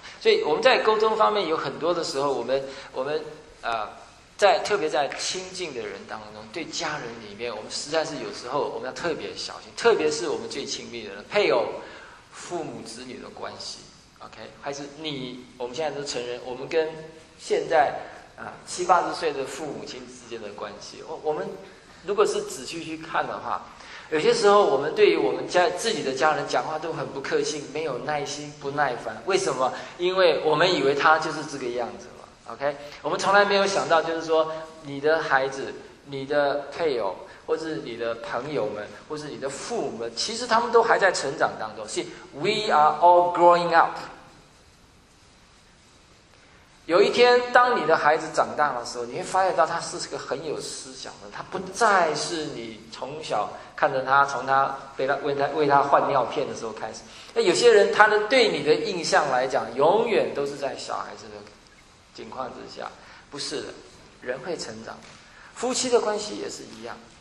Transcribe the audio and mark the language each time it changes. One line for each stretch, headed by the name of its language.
Chinese: 所以我们在沟通方面有很多的时候，我们在特别在亲近的人当中，对家人里面，我们实在是有时候我们要特别小心，特别是我们最亲密的人，配偶、父母、子女的关系 ，OK， 还是你，我们现在都成人，我们跟现在70-80岁的父母亲之间的关系，我们如果是仔细去看的话，有些时候我们对于我们家自己的家人讲话都很不客气，没有耐心，不耐烦。为什么？因为我们以为他就是这个样子嘛。 OK， 我们从来没有想到，就是说你的孩子、你的配偶，或是你的朋友们，或是你的父母们，其实他们都还在成长当中。
English: See, we are all growing up。
Chinese: 有一天，当你的孩子长大的时候，你会发现到他是个很有思想的，他不再是你从小看着他，从他被他为他换尿片的时候开始。有些人他的对你的印象来讲，永远都是在小孩子的情况之下，不是的，人会成长，夫妻的关系也是一样。